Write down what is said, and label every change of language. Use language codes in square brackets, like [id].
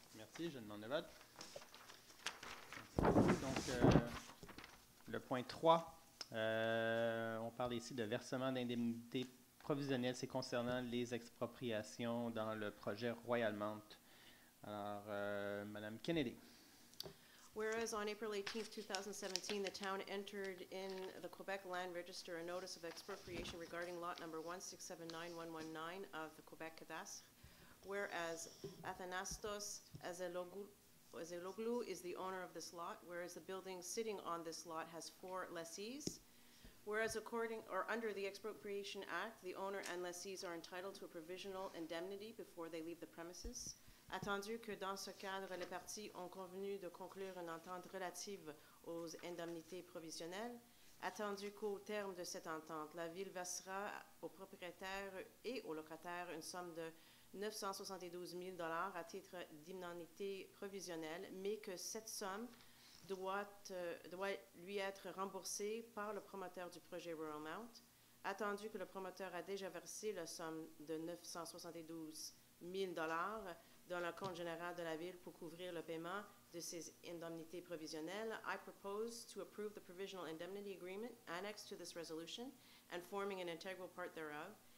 [fr] Merci, je demande le vote. Donc, le point 3, on parle ici de versement d'indemnité provisionnelle. C'est concernant les expropriations dans le projet Royal Mount. Alors, Madame Kennedy. [en] Whereas on April 18, 2017, the town entered in the Quebec Land Register a notice of expropriation regarding lot number 1679119 of the Quebec Cadastre. Whereas Athanastos Azeloglu is the owner of this lot, whereas the building sitting on this lot has four lessees. Whereas under the Expropriation Act, the owner and lessees are entitled to a provisional indemnity before they leave the premises. [fr] Attendu que dans ce cadre, les parties ont convenu de conclure une entente relative aux indemnités provisionnelles. Attendu qu'au terme de cette entente, la ville versera aux propriétaires et aux locataires une somme de $972,000 à titre d'indemnité provisionnelle, mais que cette somme doit lui être remboursée par le promoteur du projet Royal Mount. Attendu que le promoteur a déjà versé la somme de $972,000 dans le compte général de la ville pour couvrir le paiement de ses indemnités provisionnelles, [en] I propose to approve the provisional indemnity agreement annexed to this resolution and forming an integral part thereof,